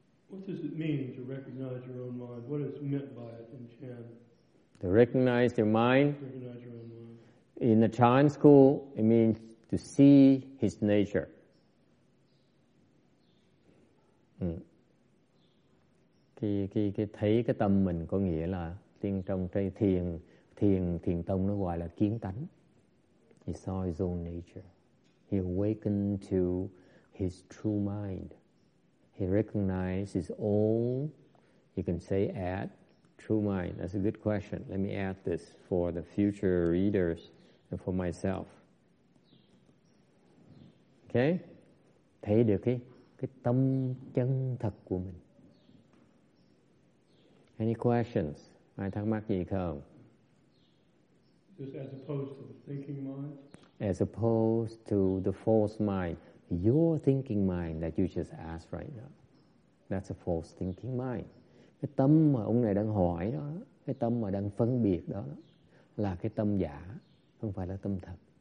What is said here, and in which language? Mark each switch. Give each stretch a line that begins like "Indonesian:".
English: What does it mean to recognize your own mind? What is meant by it in Chan? To recognize your mind? Recognize your own mind. In the Chan school, it means to see his nature.
Vietnamese: Cái thấy cái tâm mình có nghĩa là tiên trong cái thiền tông nó gọi là kiến tánh.
English: He saw his own nature. He awakened to his true mind. He recognized his own, you can say, at true mind. That's a good question. Let me add this for the future readers and for myself. Okay?
Vietnamese: Thấy được cái tâm chân thật của mình.
English: Any questions?
Vietnamese: Ai thắc mắc gì không?
English: Just as opposed to the thinking mind? As opposed to the false mind. Your thinking mind that you just asked right now, that's a false thinking mind.
Vietnamese: Cái tâm mà ông này đang hỏi đó, cái tâm mà đang phân biệt đó, là cái tâm giả, không phải là tâm thật.